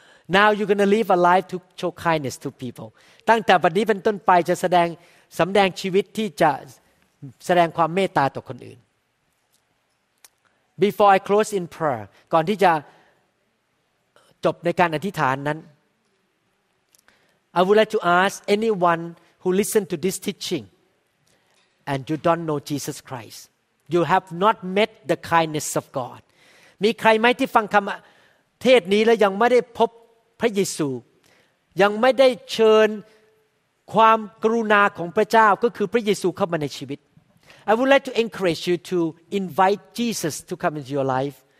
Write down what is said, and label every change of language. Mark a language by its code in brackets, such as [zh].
[en] Now you're going to live a life to show kindness to people. [th] ตั้งแต่บัดนี้เป็นต้นไปจะแสดงสำแดงชีวิตที่จะแสดงความเมตตาต่อคนอื่น [en] Before I close in prayer, [th] ก่อนที่จะจบในการอธิษฐานนั้น [en] I would like to ask anyone who listen to this teaching and you don't know Jesus Christ. You have not met the kindness of God. [th] มีใครไหมที่ฟังคำเทศนี้แล้วยังไม่ได้พบพระเยซูยังไม่ได้เชิญความกรุณาของพระเจ้าก็คือพระเยซูเข้ามาในชีวิต [en] I would like to encourage you to invite Jesus to come into your life